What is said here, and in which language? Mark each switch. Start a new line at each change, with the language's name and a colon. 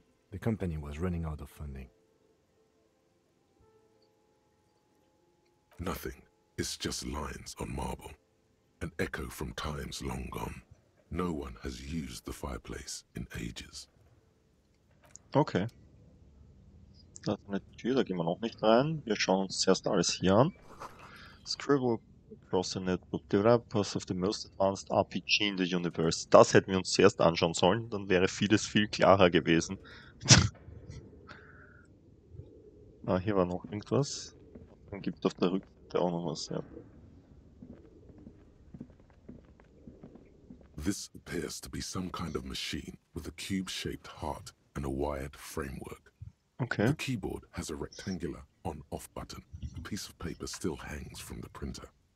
English: The company was running out of funding. Nothing. It's just lines on marble. An echo from times long gone. No one has used the fireplace in ages. Okay.
German: Da ist eine Tür, da gehen wir noch nicht rein. Wir schauen uns zuerst alles hier an.
English: Scribble across the network developers of the most advanced RPG in the universe.
German: Das hätten wir uns zuerst anschauen sollen, dann wäre vieles viel klarer gewesen. Ah, hier war noch irgendwas. Dann gibt es auf der Rückseite auch noch was, ja.
English: This appears to be some kind of machine with a cube-shaped heart and a wired framework. Okay. The keyboard has a rectangular on-off button. A piece of paper still hangs from the printer.